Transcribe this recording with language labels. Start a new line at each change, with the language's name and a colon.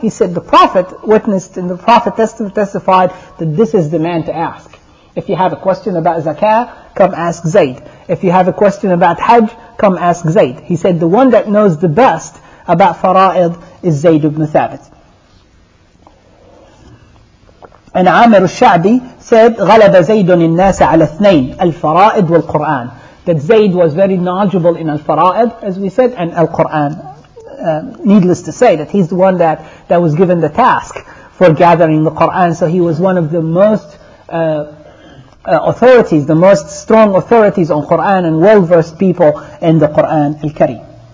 English: He said, the Prophet witnessed and the Prophet testified that this is the man to ask. If you have a question about zakah, come ask Zayd. If you have a question about hajj, come ask Zayd. He said the one that knows the best about fara'id is Zayd ibn Thabit. And Amir al-Sha'bi said,
Arabic: غَلَبَ زَيْدٌ النَّاسَ عَلَى اثْنَيْنِ الْفَرَائِدْ وَالْقُرْآنِ.
English: That Zayd was very knowledgeable in al-fara'id, as we said, and al-Qur'an. Needless to say that he's the one that was given the task for gathering the Qur'an. So he was one of the most authorities, the most strong authorities on Qur'an and well-versed people in the Qur'an al-Kareem.